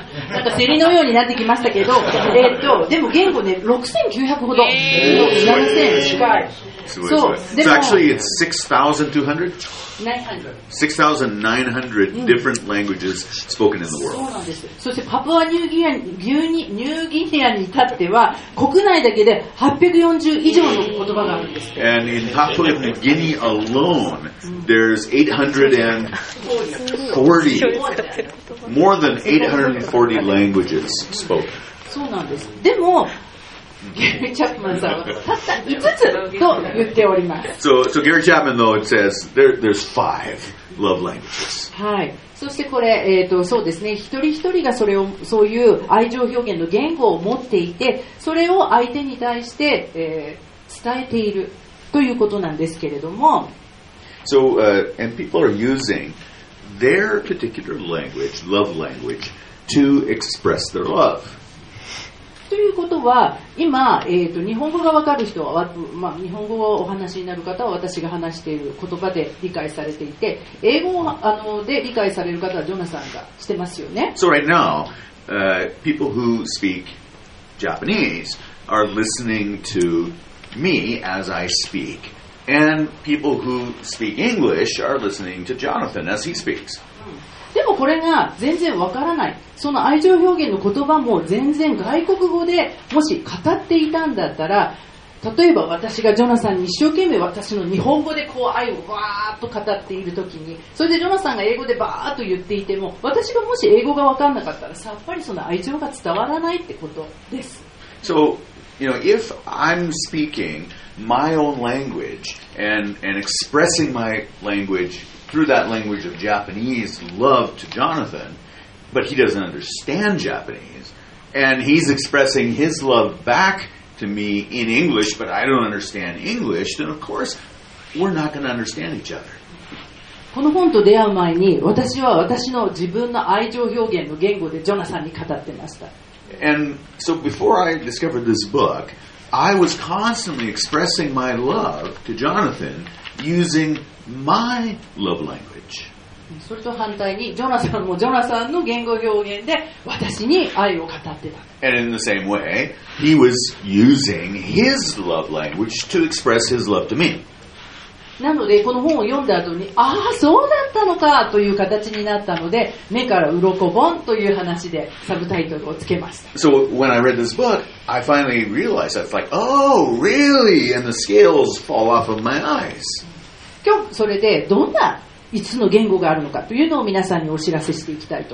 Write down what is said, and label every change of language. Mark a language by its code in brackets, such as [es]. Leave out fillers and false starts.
[ja] なんかセリのようになってきましたけど、でも言語ね、6900ほど、7000近い。 [en] So, it's actually it's 6,900 different languages spoken in the world. [ja] そしてパプアニューギニアに至っては国内だけで840以上の言葉があるんです。 [en] And in Papua New Guinea alone, there's 840, more than 840 languages spoken. [ja] そうなんです。でもGary Chapman さんはたった5つと言っております。 [en] So Gary Chapman though it says there's five love languages. [ja] はい、そしてこれ、そうですね、一人一人がそれをそういう愛情表現の言語を持っていて、それを相手に対して、伝えているということなんですけれども、 [en] So and people are using their particular language, love language, to express their love. [ja] ということは今、日本語が分かる人は、まあ、日本語をお話しになる方は私が話している言葉で理解されていて、英語で理解される方はジョナサンがしてますよね。 [en] So right now, people who speak Japanese are listening to me as I speak, and people who speak English are listening to Jonathan as he speaks. [ja] でもこれが全然わからない、その愛情表現の言葉も全然外国語でもし語っていたんだったら、例えば私がジョナサンに一生懸命私の日本語でこう愛をわーっと語っているときに、それでジョナサンが英語でバーっと言っていても、私がもし英語がわかんなかったら、さっぱりその愛情が伝わらないってことです。 [en] So, you know, if I'm speaking my own language and expressing my languageThrough that language of Japanese love to Jonathan, but he doesn't understand Japanese, and he's expressing his love back to me in English, but I don't understand English, then of course we're not going to understand each other. [ja] この本と出会う前に、私は私の自分の愛情表現の言語でジョナサンに語ってました。 [en] And so before I discovered this book, I was constantly expressing my love to Jonathan using. My love language. [ja] それと反対にジョナサンもジョナサンの言語表現で私に愛を語ってた。 [en] And in the same way, he was using his love language to express his love to me. [ja] なのでこの本を読んだ後に、ああそうだったのかという形になったので、目から鱗本という話でサブタイトルをつけました。 [en] So when I read this book, I finally realized that's like, oh really? And the scales fall off of my eyes. [ja] 今日それでどんなつの言語があるのかというのを皆さんにお知らせしていきたいと